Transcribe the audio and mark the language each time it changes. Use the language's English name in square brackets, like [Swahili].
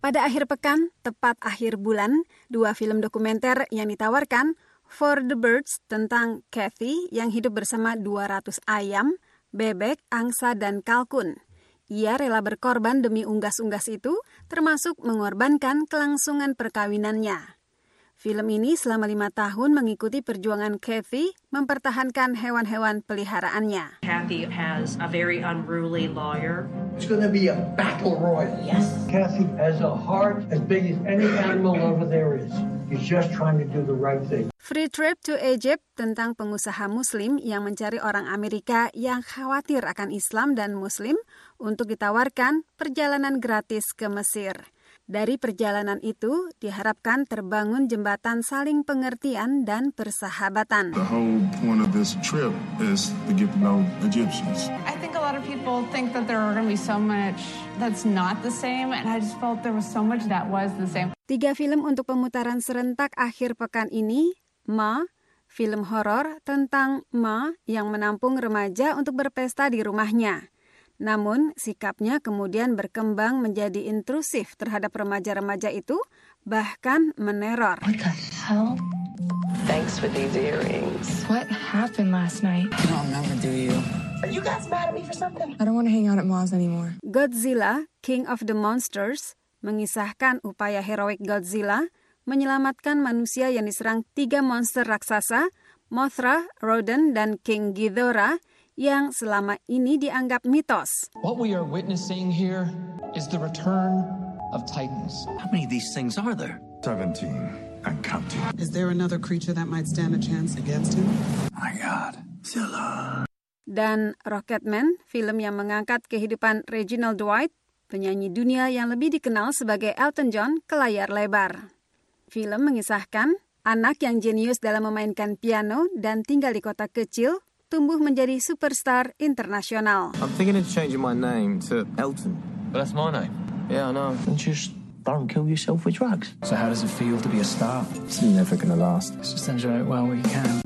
[Indonesian] Pada akhir pekan, tepat akhir bulan, dua film dokumenter yang ditawarkan, For the Birds tentang Kathy yang hidup bersama 200 ayam, bebek, angsa, dan kalkun. Ia rela berkorban demi unggas-unggas itu, termasuk mengorbankan kelangsungan perkawinannya. Film ini selama 5 tahun mengikuti perjuangan Kathy mempertahankan hewan-hewan peliharaannya. [English] Kathy has a very unruly lawyer. It's going to be a battle royal. Yes. Kathy has a heart as big as any animal over there is. He's just trying to do the right thing. [Indonesian] Free Trip to Egypt tentang pengusaha Muslim yang mencari orang Amerika yang khawatir akan Islam dan Muslim untuk ditawarkan perjalanan gratis ke Mesir. Dari perjalanan itu, diharapkan terbangun jembatan saling pengertian dan persahabatan. [English] The whole point of this trip is to get to know Egyptians. I think a lot of people think that there are going to be so much that's not the same, and I just felt there was so much that was the same. [Indonesian] Tiga film untuk pemutaran serentak akhir pekan ini, Ma, film horor tentang Ma yang menampung remaja untuk berpesta di rumahnya. Namun, sikapnya kemudian berkembang menjadi intrusif terhadap remaja-remaja itu, bahkan meneror. [English] What the hell? Thanks for these earrings. What happened last night? I'll never do you. Are you guys mad at me for something? I don't want to hang out at Ma's anymore. [Indonesian] Godzilla, King of the Monsters, mengisahkan upaya heroik Godzilla menyelamatkan manusia yang diserang 3 monster raksasa, Mothra, Rodan, dan King Ghidorah, yang selama ini dianggap mitos. [English] What we are witnessing here is the return of Titans. How many of these things are there? 17 and counting. Is there another creature that might stand a chance against him? My God, Zilla. [Indonesian] Dan Rocketman, film yang mengangkat kehidupan Reginald Dwight, penyanyi dunia yang lebih dikenal sebagai Elton John, ke layar lebar. Film mengisahkan anak yang jenius dalam memainkan piano dan tinggal di kota kecil, tumbuh menjadi superstar internasional. [English] I'm thinking of changing my name to Elton. But that's my name. Yeah, I know. Don't you don't kill yourself with drugs. So how does it feel to be a star? It's never gonna last. Let's just enjoy it while we can.